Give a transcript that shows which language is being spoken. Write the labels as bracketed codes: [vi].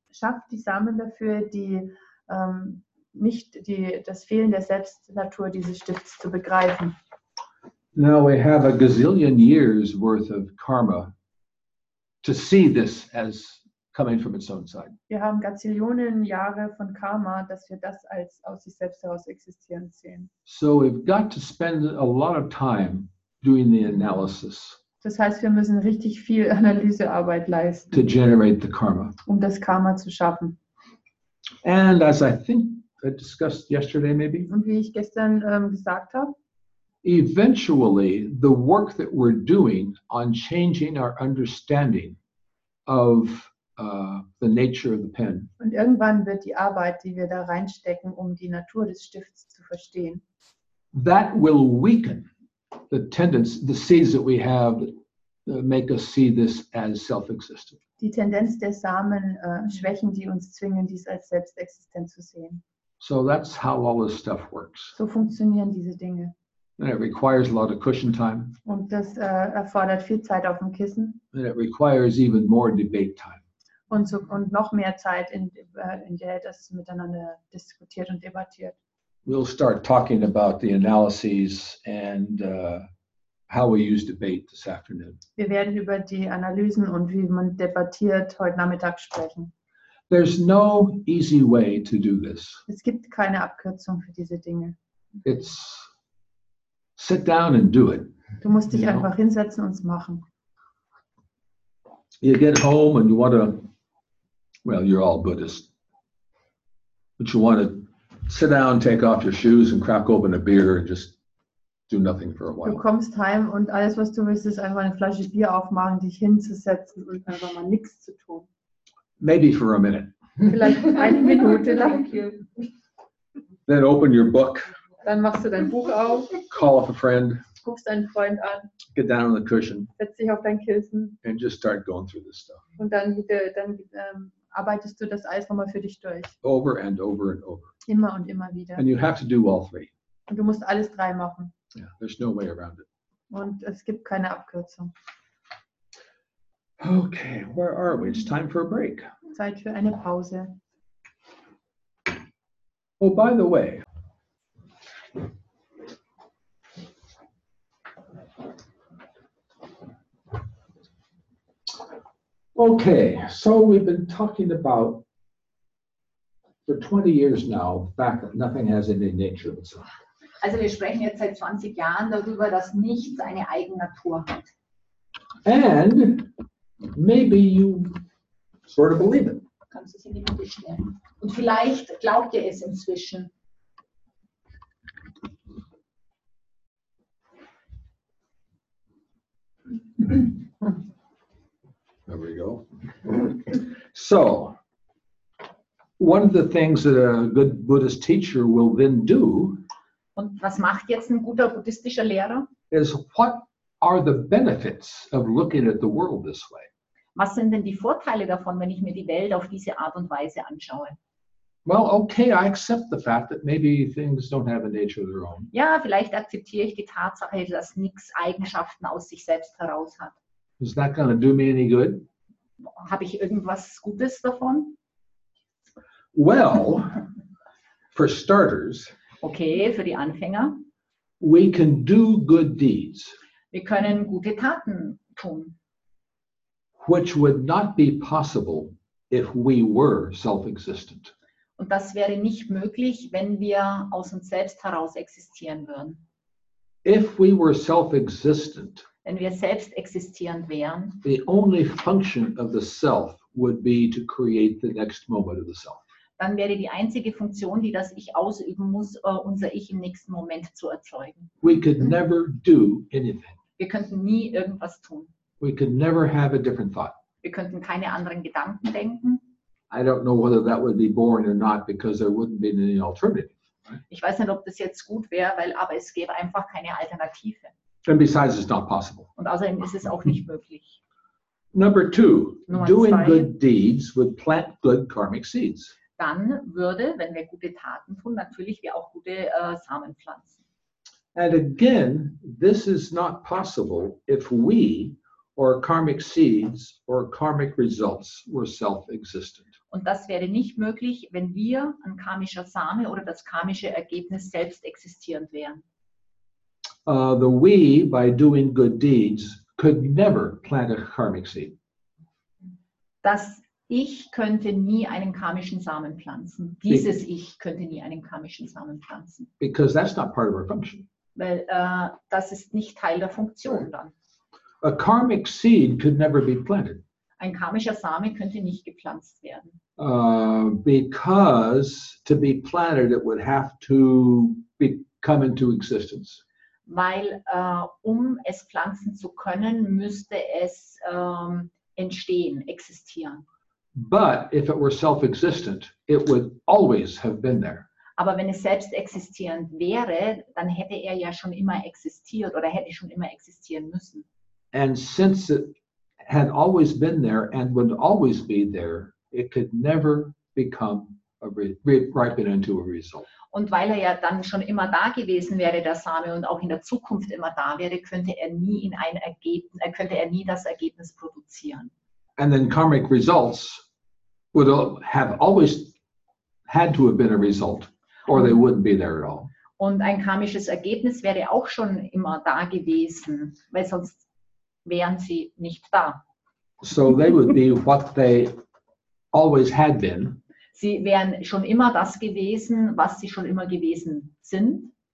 [de] Schafft die Samen dafür, die nicht die das Fehlen der Selbstnatur dieses Stifts zu begreifen. [en] Now we have a gazillion years worth of karma to see this as coming from its own side. [de] Wir haben Gazillionen Jahre von Karma, dass wir das als aus sich selbst heraus existieren sehen. [en] So we've got to spend a lot of time doing the analysis. [de] Das heißt, wir müssen richtig viel Analysearbeit leisten. [en] To generate the karma. [de] Um das Karma zu schaffen. [en] And as I think I discussed yesterday maybe. [de] Und wie ich gestern gesagt habe, [en] eventually the work that we're doing on changing our understanding of the nature of the pen. [de] Und irgendwann wird die Arbeit, die wir da reinstecken, um die Natur des Stifts zu verstehen, [en] that will weaken the tendency, the seeds that we have that make us see this as self-existent. [de] Die Tendenz der Samen schwächen, die uns zwingen, dies als selbstexistent zu sehen. [en] So that's how all this stuff works. [de] So funktionieren diese Dinge. [en] And it requires a lot of cushion time. [de] Und das erfordert viel Zeit auf dem Kissen. [en] And it requires even more debate time. [de] Und, so, und noch mehr Zeit, in der das miteinander diskutiert und debattiert. [en] We'll start talking about the analyses and how we use debate this afternoon. [de] Wir werden über die Analysen und wie man debattiert heute Nachmittag sprechen. [en] There's no easy way to do this. [de] Es gibt keine Abkürzung für diese Dinge. [en] It's sit down and do it. [de] Du musst dich einfach hinsetzen und es machen. [en] You get home and you want to, well, you're all Buddhist, but you want to sit down, take off your shoes and crack open a beer and just do nothing for a while. [de] Du kommst heim und alles, was du willst, ist einfach eine Flasche Bier aufmachen, dich hinzusetzen und einfach mal nichts zu tun. [en] Maybe for a minute. [de] Vielleicht eine Minute lang. [en] Then open your book. [de] Dann machst du dein Buch auf. [en] Call up a friend. [de] Guckst deinen Freund an. [en] Get down on the cushion. [de] Setz dich auf dein Kissen. [en] And just start going through this stuff. [de] Und dann arbeitest du das alles nochmal für dich durch. [en] Over and over and over. [de] Immer und immer wieder. [en] And you have to do all three. [de] Und du musst alles drei machen. [en] Yeah, there's no way around it. [de] Und es gibt keine Abkürzung. [en] Okay, where are we? It's time for a break. [de] Zeit für eine Pause. [en] Oh, by the way, okay, so we've been talking about for 20 years now, back that nothing has any nature of itself. [de] Also wir sprechen jetzt seit 20 Jahren darüber, dass nichts eine Eigennatur hat. [en] And maybe you sort of believe it. [de] Kannst du es in die Mitte stellen? Und vielleicht glaubt ihr es inzwischen. [en] There we go. So, one of the things that a good Buddhist teacher will then do. [de] Und was macht jetzt ein guter buddhistischer Lehrer? [en] Is what are the benefits of looking at the world this way? [de] Was sind denn die Vorteile davon, wenn ich mir die Welt auf diese Art und Weise anschaue? [en] Well, okay, I accept the fact that maybe things don't have a nature of their own. [de] Ja, vielleicht akzeptiere ich die Tatsache, dass nichts Eigenschaften aus sich selbst heraus hat. [en] Is that going to do me any good? [de] Habe ich irgendwas Gutes davon? [en] Well, for starters. [de] Okay, für die Anfänger. [en] We can do good deeds. [de] Wir können gute Taten tun. [en] Which would not be possible if we were self-existent. [de] Und das wäre nicht möglich, wenn wir aus uns selbst heraus existieren würden. [en] If we were self-existent, [de] wenn wir selbst existierend wären, [en] the only function of the self would be to create the next moment of the self. [de] Dann wäre die einzige Funktion, die das Ich ausüben muss, unser Ich im nächsten Moment zu erzeugen. [en] We could never do anything. [de] Wir könnten nie irgendwas tun. [en] We could never have a different thought. [de] Wir könnten keine anderen Gedanken denken. [en] I don't know whether that would be boring or not, because there wouldn't be any alternative. Right? [de] Ich weiß nicht, ob das jetzt gut wäre, weil aber es gäbe einfach keine Alternative. [en] And besides, it's not possible. [de] Und außerdem ist es auch nicht möglich. [en] Number two, [de] Nummer [en] doing [de] zwei, [en] good deeds would plant good karmic seeds. [de] Dann würde, wenn wir gute Taten tun, natürlich wir auch gute Samen pflanzen. [en] And again, this is not possible if we or karmic seeds or karmic results were self-existent. [de] Und das wäre nicht möglich, wenn wir ein karmischer Same oder das karmische Ergebnis selbst existierend wären. [en] The we by doing good deeds could never plant a karmic seed. [de] Das Ich könnte nie einen karmischen Samen pflanzen. Dieses Ich könnte nie einen karmischen Samen pflanzen. [en] Because that's not part of our function. [de] Weil das ist nicht Teil der Funktion dann. [en] A karmic seed could never be planted. [de] Ein karmischer Samen könnte nicht gepflanzt werden. [en] Because to be planted, it would have to be come into existence. [de] Weil um es pflanzen zu können, müsste es entstehen, existieren. [en] But if it were self-existent, it would always have been there. [de] Aber wenn es selbst existierend wäre, dann hätte er ja schon immer existiert oder hätte schon immer existieren müssen. [en] And since it had always been there and would always be there, it could never become a ripen into a result. [de] Und weil er ja dann schon immer da gewesen wäre, der Same, und auch in der Zukunft immer da wäre, könnte er nie das Ergebnis produzieren. [en] And then karmic results would have always had to have been a result, or they wouldn't be there at all. [de] Und ein karmisches Ergebnis wäre auch schon immer da gewesen, weil sonst wären sie nicht da. [en] So they would be what they always had been. [de] Sie wären schon immer das gewesen, was sie schon immer gewesen sind.